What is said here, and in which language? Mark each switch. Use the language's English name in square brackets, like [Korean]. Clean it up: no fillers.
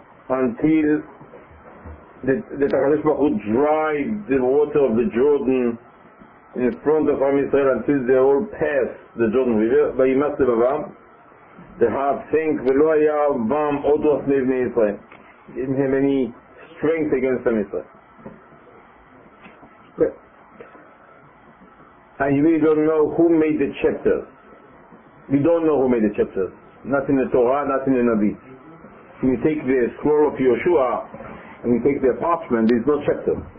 [English] until the Takadosh Baruch Hu dried the water of the Jordan in front of Am Israel until they all passed the Jordan River, Vayimas Levavam. The heart sank, [Hebrew] ולא היה בם עוד רוח לבני ישראל. [English] Didn't have any strength against them Israel. And you really don't know who made the chapters. We don't know who made the chapters. Not in the Torah, not in the Navi. When you take the scroll of Yeshua and you take the parchment, there's no chapter.